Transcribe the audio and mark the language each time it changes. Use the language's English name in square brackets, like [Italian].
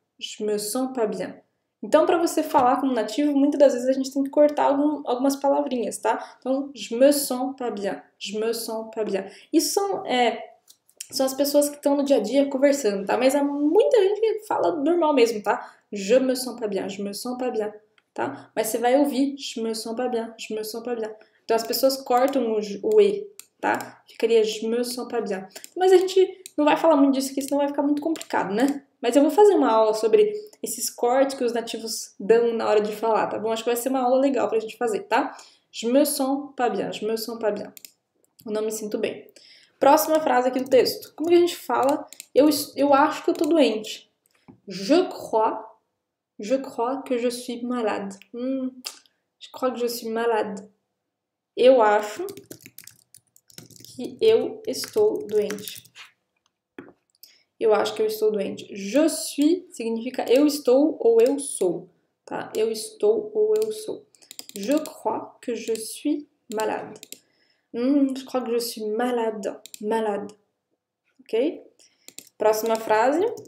[French] Je me sens pas bien. [Portuguese] Então, para você falar como nativo, muitas das vezes a gente tem que cortar algumas palavrinhas, tá? [French] Então, je me sens pas bien, je me sens pas bien. [Portuguese] Isso são as pessoas que estão no dia a dia conversando, tá? Mas há muita gente que fala normal mesmo, tá? [French] Je me sens pas bien, je me sens pas bien, tá? [Portuguese] Mas você vai ouvir, [French] je me sens pas bien, je me sens pas bien. [Portuguese] Então, as pessoas cortam o E, tá? Ficaria [French] je me sens pas bien. [Portuguese] Mas a gente não vai falar muito disso aqui, senão vai ficar muito complicado, né? Mas eu vou fazer uma aula sobre esses cortes que os nativos dão na hora de falar, tá bom? Acho que vai ser uma aula legal pra gente fazer, tá? [French] Je me sens pas bien, je me sens pas bien. [Portuguese] Eu não me sinto bem. Próxima frase aqui do texto. Como que a gente fala? Eu acho que eu tô doente. [French] Je crois que je suis malade. Je crois que je suis malade. [Portuguese] Eu acho que eu estou doente. Eu acho que eu estou doente. Je suis significa eu estou ou eu sou, tá? Eu estou ou eu sou. [French] Je crois que je suis malade. Je crois que je suis malade, malade. Ok? [Portuguese] Próxima frase.